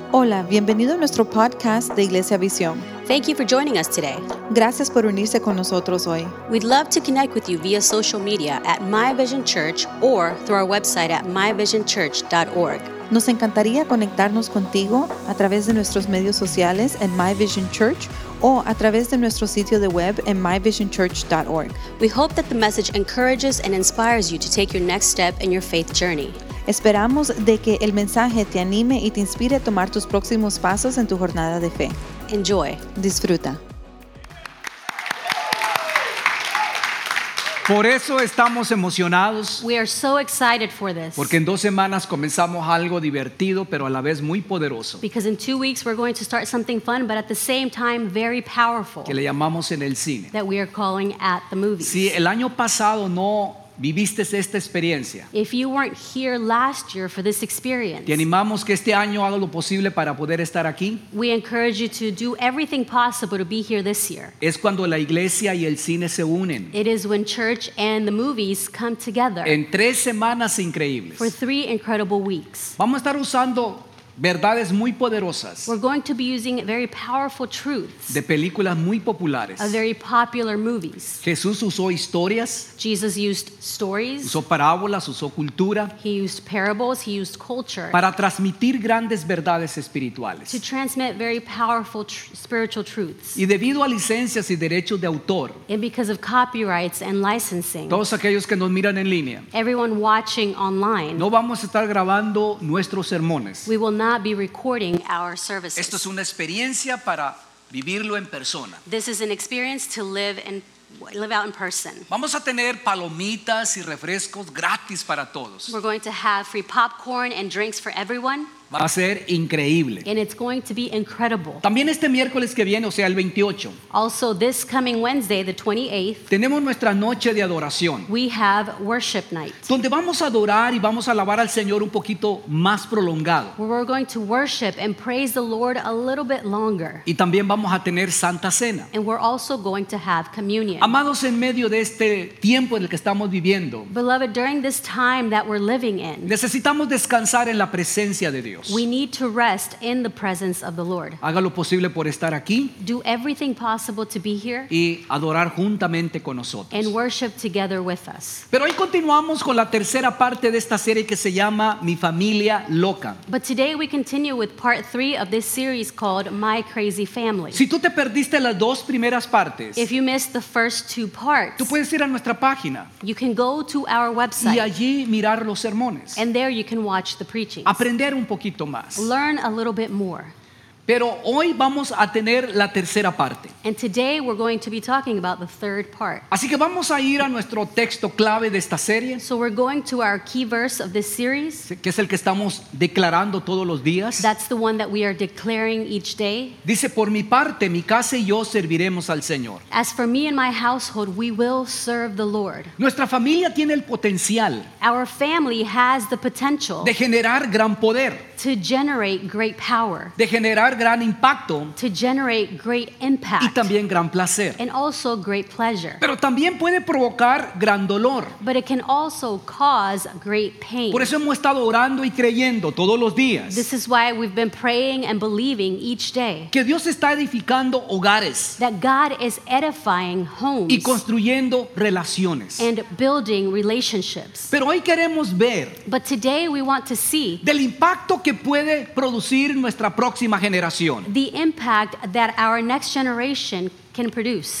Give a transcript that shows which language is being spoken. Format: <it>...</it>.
<es>Hola, bienvenido a nuestro podcast de Iglesia Visión.</es> <en>Thank you for joining us today.</en> <es>Gracias por unirse con nosotros hoy.</es> <en>We'd love to connect with you via social media at My Vision Church or through our website at myvisionchurch.org.</en> <es>Nos encantaría conectarnos contigo a través de nuestros medios sociales en My Vision Church o a través de nuestro sitio de web en myvisionchurch.org.</es> <en>We hope that the message encourages and inspires you to take your next step in your faith journey.</en> <es>Esperamos de que el mensaje te anime y te inspire a tomar tus próximos pasos en tu jornada de fe.</es> <en>Enjoy.</en> <es>Disfruta. Por eso estamos emocionados.</es> <en>We are so excited for this.</en> <es>Porque en dos semanas comenzamos algo divertido, pero a la vez muy poderoso.</es> <en>Because in 2 weeks we're going to start something fun, but at the same time very powerful.</en> <es>Que le llamamos en el cine.</es> <en>That we are calling at the movies.</en> <es>Si el año pasado no viviste esta experiencia,</es> <en>if you weren't here last year for this experience,</en> <es>te animamos que este año haga lo posible para poder estar aquí.</es> <en>We encourage you to do everything possible to be here this year.</en> <es>Es cuando la iglesia y el cine se unen.</es> <en>It is when church and the movies come together.</en> <es>En tres semanas increíbles.</es> <en>For 3 incredible weeks.</en> <es>Vamos a estar usando verdades muy poderosas.</es> <en>We're going to be using very powerful truths.</en> <es>De películas muy populares.</es> <en>Of very popular movies.</en> <es>Jesús usó historias.</es> <en>Jesus used stories.</en> <es>Usó parábolas, usó cultura.</es> <en>He used parables, he used culture.</en> <es>Para transmitir grandes verdades espirituales.</es> <en>To transmit very powerful spiritual truths.</en> <es>Y debido a licencias y derechos de autor.</es> <en>And because of copyrights and licensing.</en> <es>Todos aquellos que nos miran en línea.</es> <en>Everyone watching online.</en> <es>No vamos a estar grabando nuestros sermones.</es> <en>We will not be recording our services.</en> <es>Esto es una experiencia para vivirlo en persona.</es> <en>This is an experience to live out in person.</en> <es>Vamos a tener palomitas y refrescos gratis para todos.</es> <en>We're going to have free popcorn and drinks for everyone.</en> <es>Va a ser increíble.</es> <en>And it's going to be incredible.</en> <es>También este miércoles que viene, o sea, el 28.</es> <en>Also this coming Wednesday, the 28th.</en> <es>Tenemos nuestra noche de adoración.</es> <en>We have worship night.</en> <es>Donde vamos a adorar y vamos a alabar al Señor un poquito más prolongado.</es> <en>Where we're going to worship and praise the Lord a little bit longer.</en> <es>Y también vamos a tener Santa Cena.</es> <en>And we're also going to have communion.</en> <es>Amados, en medio de este tiempo en el que estamos viviendo.</es> <en>Beloved, during this time that we're living in.</en> <es>Necesitamos descansar en la presencia de Dios.</es> <en>We need to rest in the presence of the Lord.</en> <es>Haga lo posible por estar aquí.</es> <en>Do everything possible to be here.</en> <es>Y adorar juntamente con nosotros.</es> <en>And worship together with us.</en> <es>Pero hoy continuamos con la tercera parte de esta serie que se llama Mi Familia Loca.</es> <en>But today we continue with part 3 of this series called My Crazy Family.</en> <es>Si tú te perdiste las dos primeras partes,</es> <en>if you missed the first 2 parts,</en> <es>tú puedes ir a nuestra página.</es> <en>You can go to our website.</en> <es>Y allí mirar los sermones.</es> <en>And there you can watch the preachings.</en> <es>Aprender un poquito más.</es> <en>Learn a little bit more.</en> <es>Pero hoy vamos a tener la tercera parte.</es> <en>And today we're going to be talking about the third part.</en> <es>Así que vamos a ir a nuestro texto clave de esta serie.</es> <en>So we're going to our key verse of this series.</en> <es>Que es el que estamos declarando todos los días.</es> <en>That's the one that we are declaring each day.</en> <es>Dice, por mi parte, mi casa y yo serviremos al Señor.</es> <en>As for me and my household, we will serve the Lord.</en> <es>Nuestra familia tiene el potencial.</es> <en>Our family has the potential.</en> <es>De generar gran poder.</es> <en>To generate great power.</en> <es>De generar gran impacto.</es> <en>To generate great impact.</en> <es>Y también gran placer.</es> <en>And also great pleasure.</en> <es>Pero también puede provocar gran dolor.</es> <en>But it can also cause great pain.</en> <es>Por eso hemos estado orando y creyendo todos los días.</es> <en>This is why we've been praying and believing each day.</en> <es>Que Dios está edificando hogares.</es> <en>That God is edifying homes.</en> <es>Y construyendo relaciones.</es> <en>And building relationships.</en> <es>Pero hoy queremos ver.</es> <en>But today we want to see.</en> <es>Del impacto que puede producir nuestra próxima generación.</es> <en>The impact that our next generation can produce.</en>